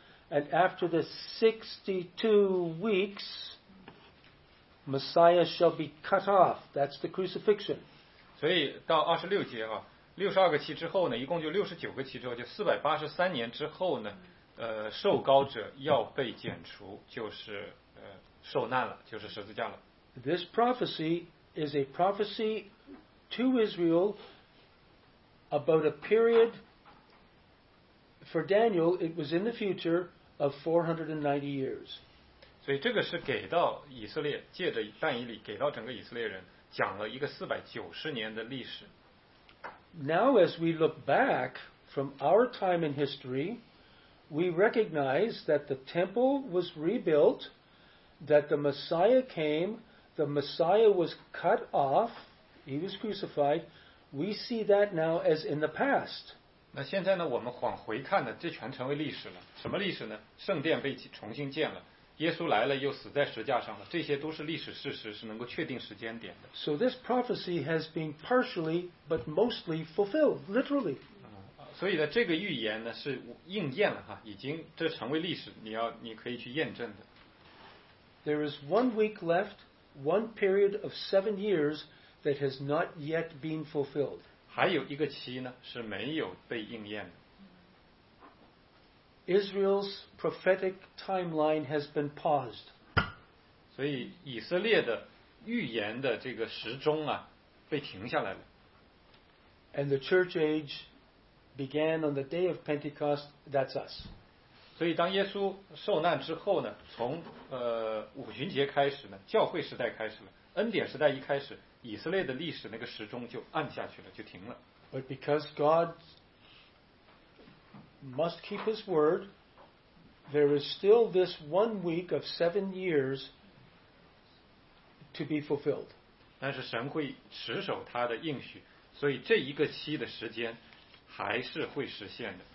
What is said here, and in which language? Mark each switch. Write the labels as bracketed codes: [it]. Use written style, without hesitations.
[en] And after the 62 weeks, Messiah shall be cut off. That's the crucifixion. [zh] 所以到二十六节啊，62个期之后呢，一共就69个期之后，就483年之后呢，受膏者要被剪除，就是受难了，就是十字架了。 [en] This prophecy is a prophecy to Israel about a period for Daniel, it was in the future of 490 years. [zh] 所以这个是给到以色列，借着但以理给到整个以色列人讲了一个490年的历史。 [en] Now as we look back from our time in history, we recognize that the temple was rebuilt, that the Messiah came, the Messiah was cut off, he was crucified. We see that now as in the past. [zh] 那现在呢，我们往回看呢，这全成为历史了。什么历史呢？圣殿被重新建了，耶稣来了又死在十架上了，这些都是历史事实，是能够确定时间点的。 [en] So this prophecy has been partially but mostly fulfilled, literally. [zh] 所以呢，这个预言呢是应验了哈，已经这成为历史，你可以去验证的。 [en] There is 1 week left, 1 period of 7 years that has not yet been fulfilled. [zh] 还有一个期呢是没有被应验的。 [en] Israel's prophetic timeline has been paused. [zh] 所以以色列的预言的这个时钟啊，被停下来了。 [en] And the church age began on the day of Pentecost. That's us. [zh] 所以当耶稣受难之后呢，从五旬节开始呢，教会时代开始了，恩典时代一开始，以色列的历史那个时钟就按下去了，就停了。 [en] But because God must keep his word, there is still this 1 week of 7 years to be fulfilled. [zh] 但是神会持守他的应许，所以这一个期的时间还是会实现的。